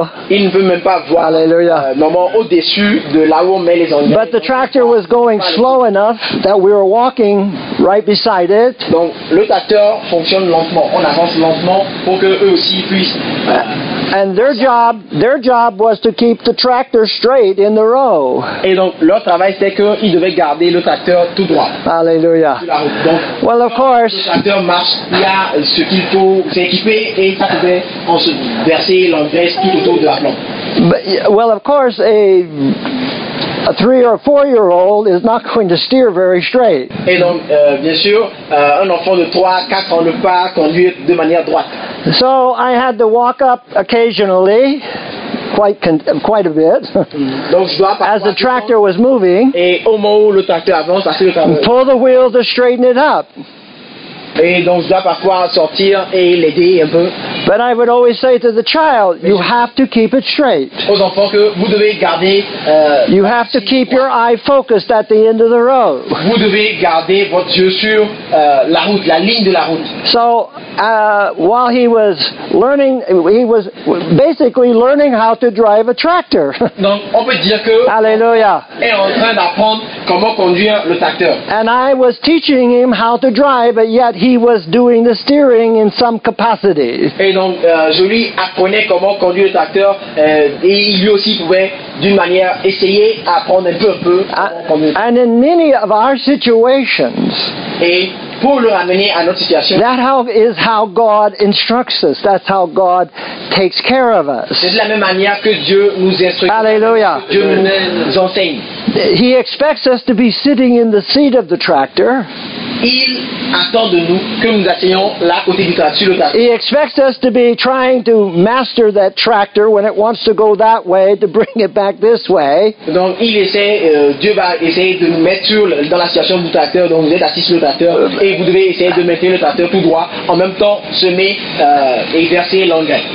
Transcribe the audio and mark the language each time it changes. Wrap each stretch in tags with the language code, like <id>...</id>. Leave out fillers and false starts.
<fr>Il ne peut même pas voir normalement au-dessus de là où on met les engrais.</fr> <en>But the tractor was going slow enough that we were walking right beside it.</en> <fr>Donc le tracteur fonctionne lentement, on avance lentement pour que eux aussi puissent.</fr> <en>And their job was to keep the tractor straight in the row.</en> <fr>Et donc leur travail c'était qu'ils devaient garder le tracteur tout droit.</fr> <en>Alléluia. Well, of course.</en> <fr>Le tracteur marche, il y a ce qu'il faut s'équiper et ça pouvait en se verser l'engrais tout autour de la plante.</fr> <en>But, well, of course, a 3 or 4 year old is not going to steer very straight.</en> <fr>Et donc bien sûr, un enfant de 3, 4 ans ne peut pas conduire de manière droite.</fr> <en>So I had to walk up occasionally, quite a bit, as the tractor was moving, pull the wheel to straighten it up.</en> <fr>Et donc je dois parfois sortir et l'aider un peu.</fr> <en>But I would always say to the child, you have to keep it straight.</en> <fr>Aux enfants que vous devez garder.</fr> <en>You have to keep your eye focused at the end of the road.</en> <fr>Vous devez garder votre yeux sur la route, la ligne de la route.</fr> <en>So while he was learning, he was basically learning how to drive a tractor.</en> <fr>Donc on peut dire que. Alléluia. Est en train d'apprendre comment conduire le tracteur.</fr> <en>And I was teaching him how to drive, but yet he was doing the steering in some capacity.</en> <fr>Et donc, je lui apprenais comment conduire le tracteur, et il lui aussi pouvait, d'une manière, essayer d'apprendre un peu.</fr> <en>And in many of our situations,</en> <fr>et pour le ramener à notre situation,</fr> <en>that is how God instructs us. That's how God takes care of us.</en> <fr>C'est de la même manière que Dieu nous instruit. Alléluia. Dieu nous enseigne.</fr> <en>He expects us to be sitting in the seat of the tractor.</en> <fr>Il attend de nous que nous asseyons là côté du tracteur.</fr> <en>He expects us to be trying to master that tractor when it wants to go that way to bring it back this way.</en> <fr>Donc il essaie, Dieu va essayer de nous mettre dans la situation du tracteur. Donc vous êtes assis sur le tracteur et vous devez essayer de maintenir le tracteur tout droit en même temps semer et verser l'engrais.</fr>